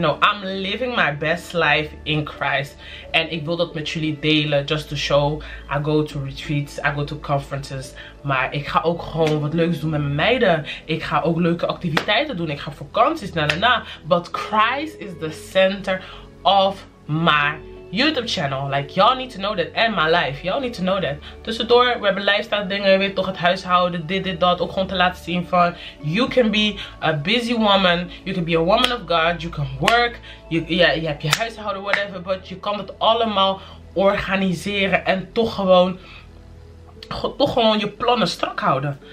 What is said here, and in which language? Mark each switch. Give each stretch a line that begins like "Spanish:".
English: No, I'm living my best life in Christ.
Dutch: En ik wil dat met jullie delen,
English: just to show. I go to retreats, I go to conferences.
Dutch: Maar ik ga ook gewoon wat leuks doen met mijn meiden. Ik ga ook leuke activiteiten doen. Ik ga vakanties, na.
English: But Christ is the center of my YouTube channel. Like, y'all need to know that. And my life. Y'all need to know that.
Dutch: Tussendoor, we hebben lifestyle dingen. Weet toch, het huishouden. Dit, dat. Ook gewoon te laten zien van,
English: you can be a busy woman. You can be a woman of God. You can work.
Dutch: Je hebt je huishouden, whatever. But je kan het allemaal organiseren. En toch gewoon je plannen strak houden.